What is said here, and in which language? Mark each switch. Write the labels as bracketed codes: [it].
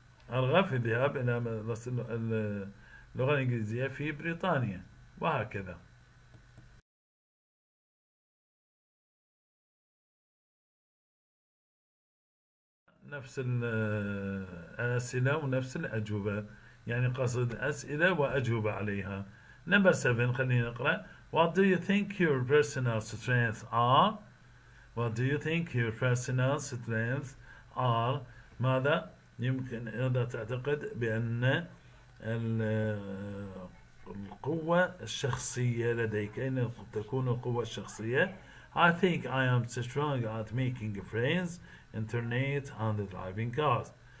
[ar] أرغب في الذهاب إلى مدرسة اللغة الإنجليزية في بريطانيا. وهكذا. نفس الأسئلة ونفس الأجوبة. يعني قصد أسئلة وأجوبة عليها. Number 7 خلينا نقرأ. [en] What do you think your personal strengths are? What do you think your personal strengths are? [ar] ماذا يمكن إذا تعتقد بأن القوة الشخصية لديك أين تكون القوة الشخصية؟ [en] I think I am strong at making friends, internet and driving cars.